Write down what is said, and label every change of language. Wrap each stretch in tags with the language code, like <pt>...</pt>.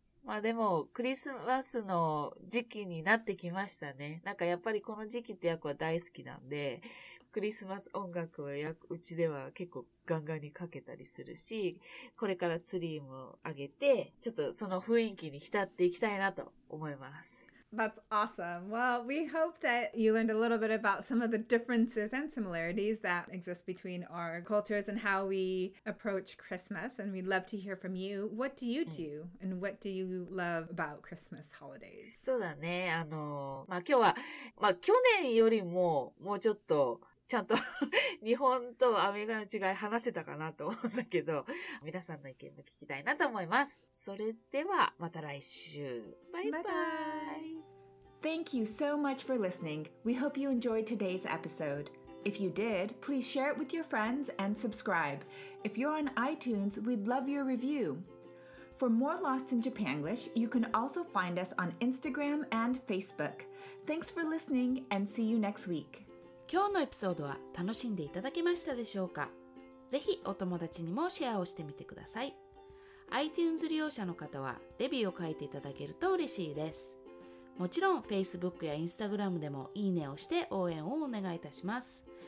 <ja>まあでも、クリスマスの時期になってきましたね。なんかやっぱりこの時期ってヤクは大好きなんで、クリスマス音楽はヤク、うちでは結構ガンガンにかけたりするし、これからツリーもあげて、ちょっとその雰囲気に浸っていきたいなと思います。</ja> <en>That's awesome. Well, we hope that you learned a little bit about some of the differences and similarities that exist between our cultures and how we approach Christmas. And we'd love to hear from you. What do you do? And what do you love about Christmas holidays?</en> <ja>そうだね。まあ、今日は、まあ、去年よりも、もうちょっと、ちゃんと日本とアメリカの違い話せたかなと思うんだけど、皆さんの意見も聞きたいなと思います。それではまた来週。バイバイ。バイバイ。</ja> <en>Thank you so much for listening. We hope you enjoyed today's episode. If you did, please share it with your friends and subscribe. If you're on iTunes, we'd love your review. For more Lost in Japanglish, you can also find us on Instagram and Facebook. Thanks for listening and see you next week.</en> <ja>今日のエピソードは楽しんでいただけましたでしょうか。ぜひお友達にもシェアをしてみてください。 iTunes 利用者の方はレビューを書いていただけると嬉しいです。もちろん Facebook や Instagram でもいいねをして応援をお願いいたします。</ja>